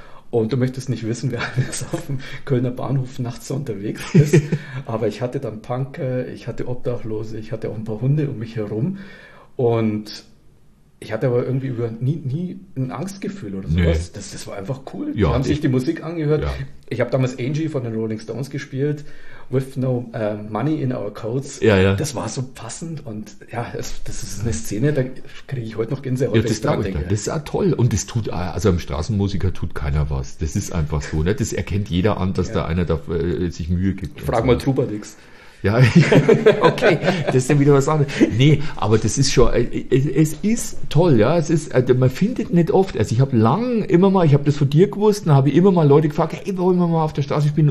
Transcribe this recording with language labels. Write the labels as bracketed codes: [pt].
[de] Und du möchtest nicht wissen, wer alles auf dem Kölner Bahnhof nachts so unterwegs ist. Aber ich hatte dann Punker, ich hatte Obdachlose, ich hatte auch ein paar Hunde um mich herum. Und ich hatte aber irgendwie nie ein Angstgefühl oder sowas. Nee. Das war einfach cool. Ja, die haben sich die Musik angehört. Ja. Ich habe damals Angie von den Rolling Stones gespielt. [en] With no money in our coats. [de] Ja, ja. Das war so passend und ja, das ist eine Szene, da kriege ich heute noch Gänsehaut. Ja, das glaube ich dann. Das ist auch toll und das tut, also einem Straßenmusiker tut keiner was. Das ist einfach so. Ne? Das erkennt jeder an, dass da einer da sich Mühe gibt. Frag mal Trubadix. Ja, okay, das ist dann wieder was anderes. Nee, aber das ist schon, es ist toll, ja, es ist, man findet nicht oft, also ich habe lang immer mal, ich habe das von dir gewusst, dann habe ich immer mal Leute gefragt, hey, wollen wir mal auf der Straße spielen?